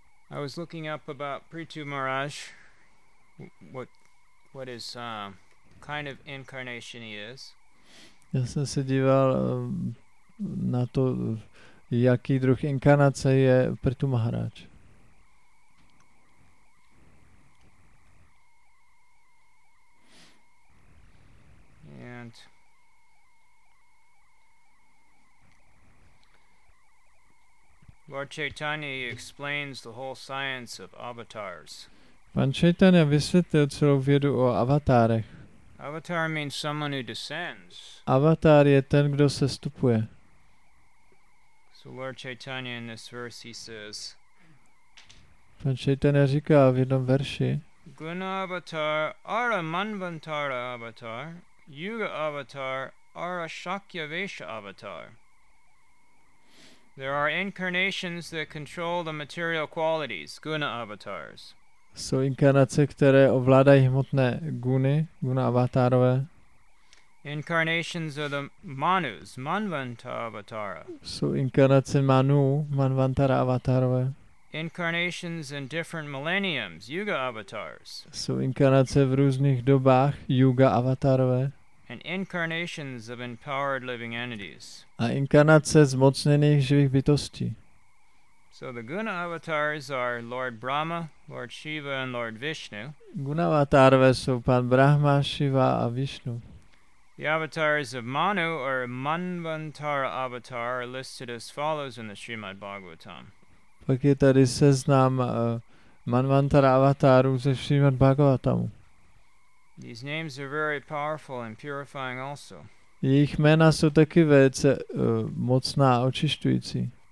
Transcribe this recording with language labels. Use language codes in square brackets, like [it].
[en] I was looking up about Prithu Maharaj, what is kind of incarnation he is. [cs] Já jsem se díval na to, jaký druh inkarnace je Prithu Maharaj. [en] Lord Chaitanya explains the whole science of avatars. [cs] Pan Chaitanya vysvětlil celou vědu o avatárech. [en] Avatar means someone who descends. [cs] Avatar je ten, kdo sestupuje. [en] So Lord Chaitanya in this verse he says. [cs] Pan Chaitanya říká v jednom verši. [sa] Guna avatar, ara manvantara avatar, yuga avatar, ara shakya vesha avatar. [en] There are incarnations that control the material qualities, guna avatars. [cs] Jsou inkarnace, které ovládají hmotné guny, guna avatarové. [en] Incarnations are the manus, manvanta avatara. [cs] Jsou inkarnace manu, manvantara avatarové. [en] Incarnations in different millenniums, yuga avatars. [cs] Jsou inkarnace v různých dobách, yuga avatarové. [en] And incarnations of empowered living entities. [cs] A inkarnace zmocněných živých bytostí. [en] So the guna avatars are Lord Brahma, Lord Shiva and Lord Vishnu. [cs] Guna avatarové jsou pan Brahma, Shiva a Vishnu. [en] The avatars of Manu or Manvantara avatar are listed as follows in the Srimad Bhagavatam. [cs] Pak je tady seznam Manvantara avatarů ze Srimad Bhagavatamu. [en] These names are very powerful and purifying also. [cs] Jejich jména jsou taky velice mocná a očišťující.